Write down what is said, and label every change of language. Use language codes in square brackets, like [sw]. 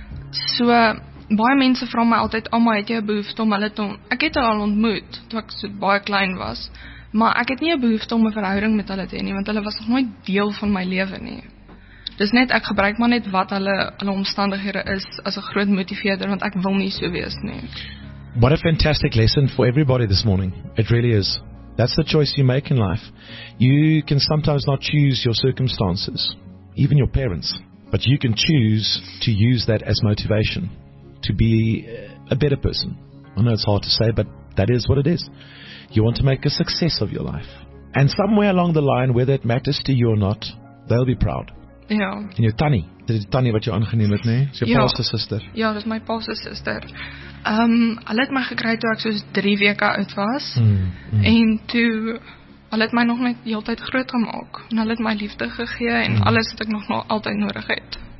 [af] So, baie mense vra my altyd, Alma, het jy 'n behoefte om hulle te ek het hulle al ontmoet, toe ek so baie klein was, maar ek het nie 'n behoefte om 'n verhouding met hulle te hê nie, want hulle was nog nooit deel van my lewe nie. Dis net, ek gebruik maar net wat hulle omstandighede is as 'n groot motiveerder, want ek wil nie so wees nie. [en] What a fantastic lesson for everybody this morning. It really is. That's the choice you make in life. You can sometimes not choose your circumstances, even your parents, but you can choose to use that as motivation to be a better person. I know it's hard to say, but that is what it is. You want to make a success of your life. And somewhere along the line, whether it matters to you or not, they'll be proud. [af] Ja. En jou tannie, dit is die tannie wat jou aangeneem het, nee? Is jou pa se sister? Ja, dit is my pa se sister. Hulle het my gekry toe ek soos 3 weke oud was. En toe, hulle het my nog net die hele tyd groot gemaak. En hulle het my liefde gegee en alles wat ek nog altyd nodig het.